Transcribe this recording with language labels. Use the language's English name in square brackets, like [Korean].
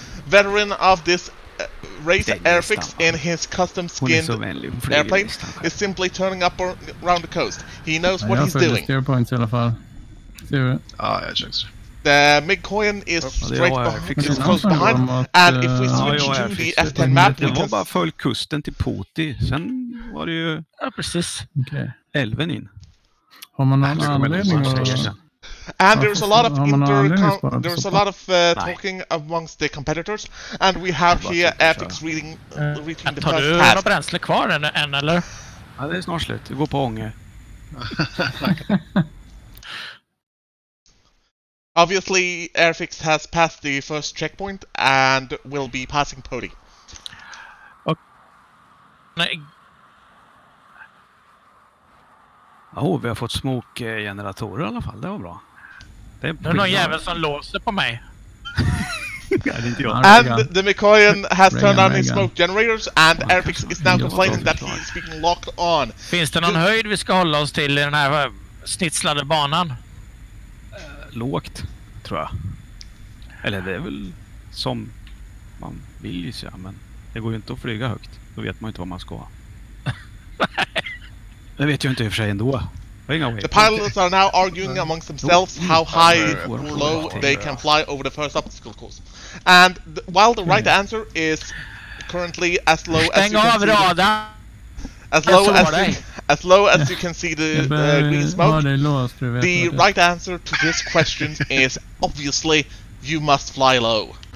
[English] Veteran of this race, Airfix, in his custom skinned airplane, is simply turning up around the coast. He knows what he's doing. Steer points, Elafal. The MiG-21 is straight behind, is close behind, and if we switch to the F-10 map, we can... [Swedish] bara följt kusten till Poti, sen var det ju... Ja, precis. Älven in. Har man någon anledning att... [English] And there's a lot of talking amongst the competitors, and we have here Epix reading the first task. [Swedish] Har du några bränsle kvar än, eller? Ja, det är snart slut. Vi går på ånge. [English] Obviously, Airfix has passed the first checkpoint and will be passing Pody. Okay. [Swedish] Oh, vi har fått smoke-generatorer i alla fall. Det var bra. Det är någon jävel som låser på mig. [English] And the Mikoyan has turned on his smoke generators, and Airfix is now complaining that he is being locked on. [Swedish] Finns det någon höjd vi ska hålla oss till i den här snitslade banan? Lågt. Tror jag. Eller det är väl som man vill ju säga, men det går ju inte att flyga högt. Då vet man ju inte var man ska. Det vet ju inte i och för sig ändå. [English] The pilots are now arguing amongst themselves how high or low they can fly over the first obstacle course. And while the right answer is currently as low as you can see the, green smoke, the right answer to this question is obviously you must fly low.